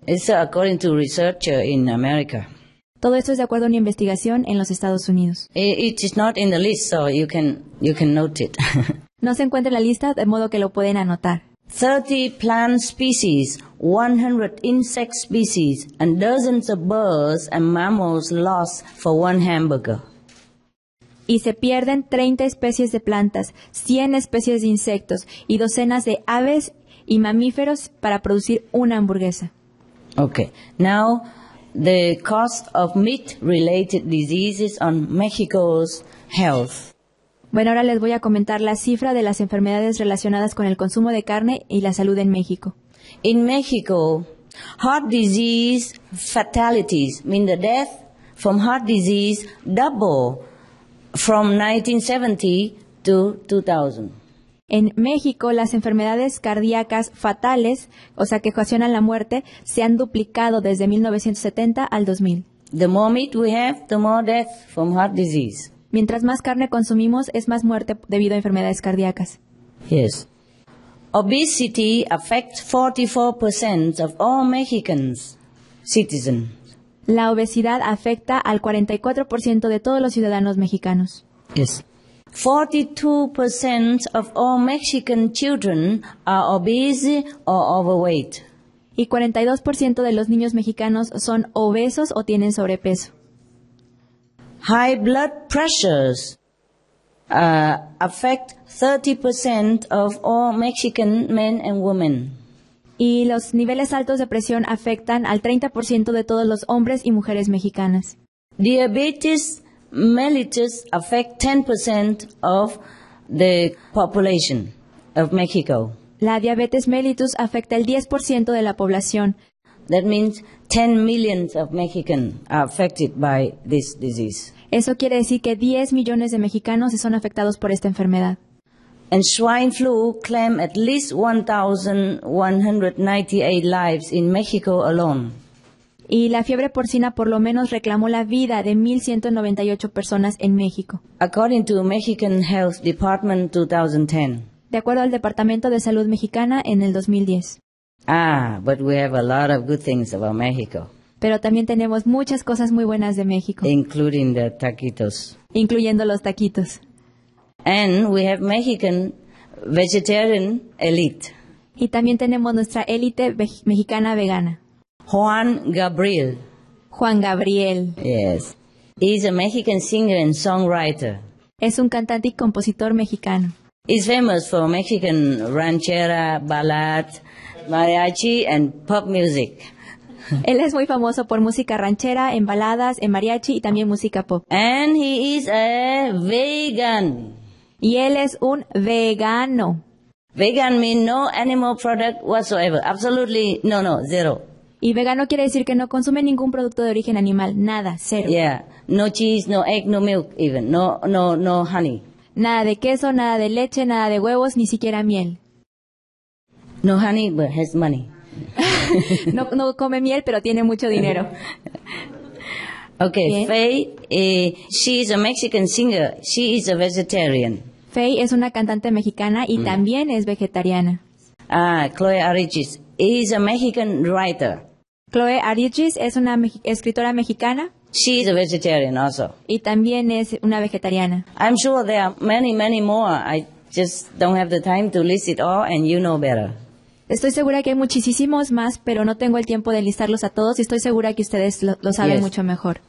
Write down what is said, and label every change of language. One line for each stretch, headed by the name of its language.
English: It's according to research in America.
Spanish: Todo esto es de acuerdo a una investigación en los Estados Unidos.
English: It is not in the list, so you can note it.
Spanish: No se encuentra en la lista, de modo que lo pueden anotar.
English: 30 plant species, 100 insect species, and dozens of birds and mammals lost for one hamburger.
Spanish: Y se pierden 30 especies de plantas, 100 especies de insectos y docenas de aves y mamíferos para producir una hamburguesa.
English: Okay, now. The cost of meat-related diseases on Mexico's health.
Spanish: Bueno, ahora les voy a comentar la cifra de las enfermedades relacionadas con el consumo de carne y la salud en México.
English: In Mexico, heart disease fatalities mean the death from heart disease double from 1970 to 2000.
Spanish: En México, las enfermedades cardíacas fatales, o sea, que ocasionan la muerte, se han duplicado desde 1970 al 2000.
English: The more meat we have, the more death from heart disease.
Spanish: Mientras más carne consumimos, es más muerte debido a enfermedades cardíacas.
English: Yes. Obesity affects 44% of all Mexicans, citizens.
Spanish: La obesidad afecta al 44% de todos los ciudadanos mexicanos.
English: Yes. 42% of all Mexican children are obese or overweight.
Spanish: Y 42% de los niños mexicanos son obesos o tienen sobrepeso.
English: High blood pressures affect 30% of all Mexican men and women.
Spanish: Y los niveles altos de presión afectan al 30% de todos los hombres y mujeres mexicanas.
English: Diabetes mellitus affect 10% of the population of Mexico.
Spanish: La diabetes mellitus afecta el 10% de la población.
English: That means 10 million of Mexicans are affected by this disease.
Spanish: Eso quiere decir que 10 millones de mexicanos son afectados por esta enfermedad.
English: And swine flu claimed at least 1,198 lives in Mexico alone.
Spanish: Y la fiebre porcina por lo menos reclamó la vida de 1,198 personas en México.
English: According to Mexican Health Department 2010.
Spanish: De acuerdo al Departamento de Salud Mexicana en el 2010.
English: Ah, but we have a lot of good things about Mexico.
Spanish: Pero también tenemos muchas cosas muy buenas de México.
English: Including the taquitos.
Spanish: Incluyendo los taquitos.
English: And we have Mexican vegetarian elite.
Spanish: Y también tenemos nuestra élite mexicana vegana.
English: Juan Gabriel.
Spanish: Juan Gabriel.
English: Yes. He's a Mexican singer and songwriter.
Spanish: Es un cantante y compositor mexicano.
English: He's famous for Mexican ranchera, ballad, mariachi and pop music.
Spanish: Él es muy famoso por música ranchera, en baladas, en mariachi y también música pop.
English: And he is a vegan.
Spanish: Y él es un vegano.
English: Vegan means no animal product whatsoever. Absolutely no, zero.
Spanish: Y vegano quiere decir que no consume ningún producto de origen animal, nada, cero.
English: Yeah, no cheese, no egg, no milk even, no honey.
Spanish: Nada de queso, nada de leche, nada de huevos, ni siquiera miel.
English: No honey, but has money.
Spanish: No come miel, pero tiene mucho dinero.
English: Okay,
Spanish: bien.
English: Faye, she is a Mexican singer, she is a vegetarian.
Spanish: Faye es una cantante mexicana y también es vegetariana.
English: Ah, Chloe Arichis. He is a Mexican writer.
Spanish: Chloe Arichis es una escritora mexicana.
English: She is a vegetarian also.
Spanish: Y también es una vegetariana.
English: I'm sure there are many, many more. I just don't have the time to list it all, and you know better.
Spanish: Estoy segura que hay muchísimos más, pero no tengo el tiempo de listarlos a todos, y estoy segura que ustedes lo saben mucho mejor.